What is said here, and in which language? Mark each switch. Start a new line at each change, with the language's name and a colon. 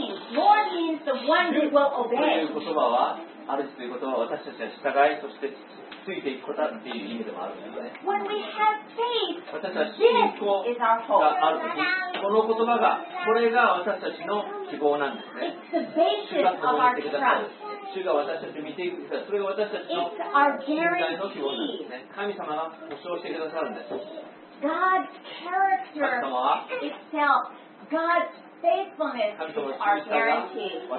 English: Lord means the one who will obey.
Japanese: 主ということは私たちは従い、そしてついていくことという意味でもあるんですね。
English: When we have faith,
Japanese: 私たちは信仰があるとき、この言葉が、これが私たちの希望なんですね。
English: It's the basis of our trust.
Japanese: 主が私たちを見ていくんですが、それが私たちの信頼の希望なんですね。神様が保証してくださるんです。
English: God's character itself, God's faithfulness is our guarantee.